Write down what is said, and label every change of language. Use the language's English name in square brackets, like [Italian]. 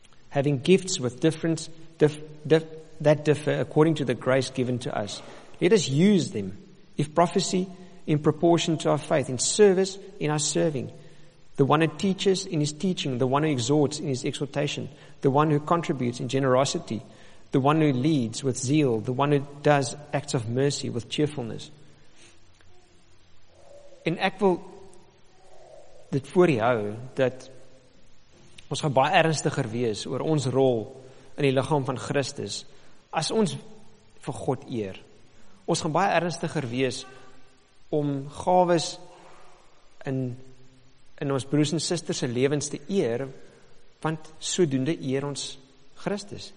[English] Having gifts with that differ according to the grace given to us, let us use them, if prophecy, in proportion to our faith, in service, in our serving, the one who teaches in his teaching, the one who exhorts in his exhortation, the one who contributes in generosity, the one who leads with zeal, the one who does acts of mercy with cheerfulness. [Afrikaans] En ek wil dit voor jou hou, dat Ons gaan baie ernstiger wees oor ons rol in die liggaam van Christus as ons vir God eer. Ons gaan baie ernstiger wees om gawes in ons broers en susters se lewens te eer, want sodoende eer ons Christus.